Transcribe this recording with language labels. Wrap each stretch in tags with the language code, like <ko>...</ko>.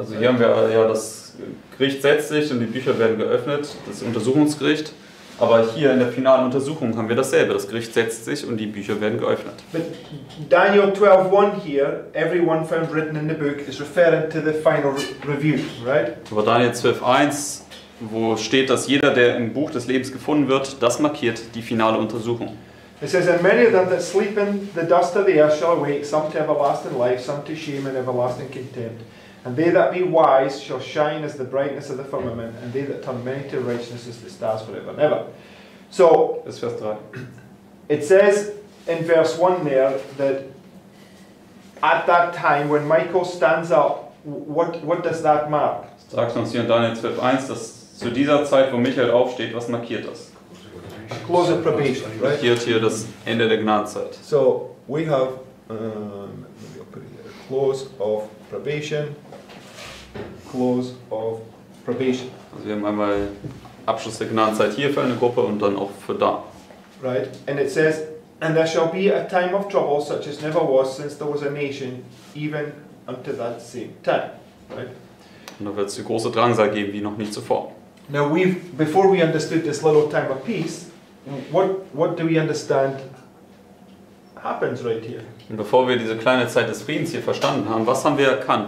<de>Also hier haben wir ja das Gericht setzt sich und die Bücher werden geöffnet, das Untersuchungsgericht, aber hier in der finalen Untersuchung haben wir dasselbe, das Gericht setzt sich und die Bücher werden geöffnet.</de> <en>But Daniel 12:1 here, everyone found written in the book, is referring to the final review, right?</en> <de>Aber Daniel 12:1, wo steht, dass jeder, der im Buch des Lebens gefunden wird, das markiert die finale Untersuchung.</de> <en>It says, and many of them that sleep in the dust of the earth shall awake, some to everlasting life, some to shame and everlasting contempt. And they that be wise shall shine as the brightness of the firmament, and they that turn many to righteousness as the stars forever and ever. So,</en> <de>das Vers 3.</de> <en>It says in verse 1 there that at that time when Michael stands up, what does that mark?</en> <de>Sagt uns hier in Daniel 12:1, dass zu dieser Zeit, wo Michael aufsteht, was markiert das?</de> <en>A close of probation, right?</en> <de>Markiert hier das Ende der Gnadenzeit.</de> <en>So, we have, maybe I'll put it here, close of probation.</en> <de>Also wir haben einmal Abschluss der Gnadenzeit hier für eine Gruppe und dann auch für da.</de> <en>Right, and it says, and there shall be a time of trouble such as never was since there was a nation, even unto that same time, right?</en> <de>Und da wird es die große Drangsal geben, wie noch nie zuvor.</de> <en>Now we've, before we understood this little time of peace, what do we understand happens right here?</en> <de>Und bevor wir diese kleine Zeit des Friedens hier verstanden haben, was haben wir erkannt?</de>